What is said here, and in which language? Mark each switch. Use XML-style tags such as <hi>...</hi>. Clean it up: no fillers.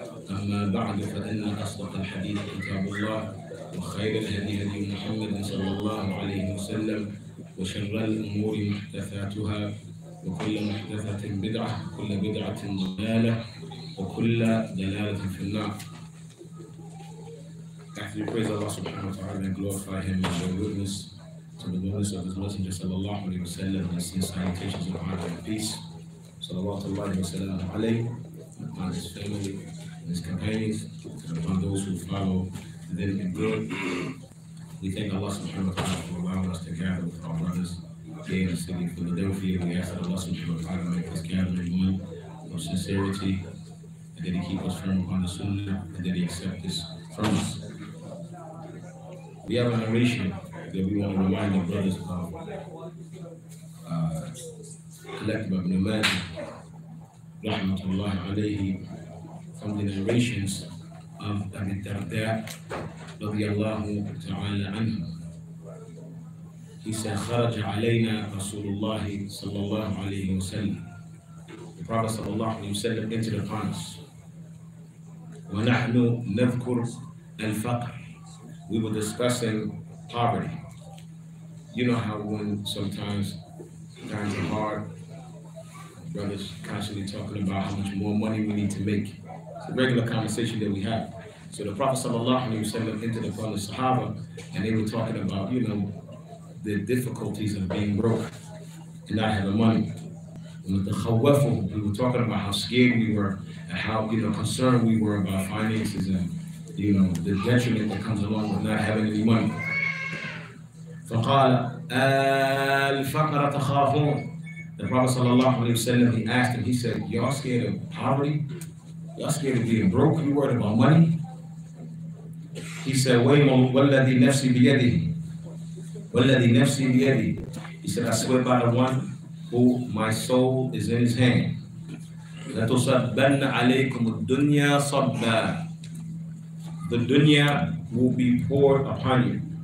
<ar>أما بعد فإن أصدق الحديث كتاب الله وخير الهدي هدي محمد صلى الله عليه وسلم وشر الأمور محدثاتها وكل محدثة بدعة وكل بدعة ضلالة وكل دلالة في النار.</ar> <en>After you praise Allah subhanahu wa ta'ala and glorify Him and your goodness to the goodness of His Messenger صلى الله عليه وسلم and His salutations of honor and peace صلى الله عليه وسلم عليه upon His family and His companions and upon those who follow them in good. We thank Allah subhanahu wa ta'ala for allowing us to gather with our brothers here in the city of Philadelphia. We ask that Allah subhanahu wa ta'ala make this gathering one of sincerity, and that He keep us firm upon the sunnah, and that He accept this from us. We have a narration that we want to remind our brothers about, collected by Ibn Majah, rahmatullahi alayhi, from the narrations of Abi Darda رضي الله تعالى عنه. He said,</en> <ar>خرج علينا رسول الله صلى الله عليه وسلم.</ar> <en>The Prophet صلى الله عليه وسلم entered upon us.</en> <ar>ونحن نذكر الفقر.</ar> <en>We were discussing poverty. You know how when sometimes times are hard, brothers constantly talking about how much more money we need to make. It's a regular conversation that we have. So the Prophet sallallahu alaihi wasallam entered upon the Sahaba, and they were talking about, you know, the difficulties of being broke and not having money. And the khawafu, we were talking about how scared we were and how, you know, concerned we were about finances and, you know, the detriment that comes along with not having any money.</en> <ar>فقال الفقر تخافون.</ar> <en>The Prophet sallallahu alaihi wasallam, he asked him. He said, "Y'all scared of poverty? Y'all scared of being broke? You worried about money?" He said,</en> <ar>وَالَّذِي نَفْسِي بِيَدِهِ وَالَّذِي نَفْسِي بِيَدِهِ.</ar> <en>He said, "I swear by the one who my soul is in his hand."</en> <ar>لَتُصَبَّنَّ عَلَيْكُمُ الدُّنْيَا صَبَّا.</ar> <en>The dunya will be poured upon you.</en>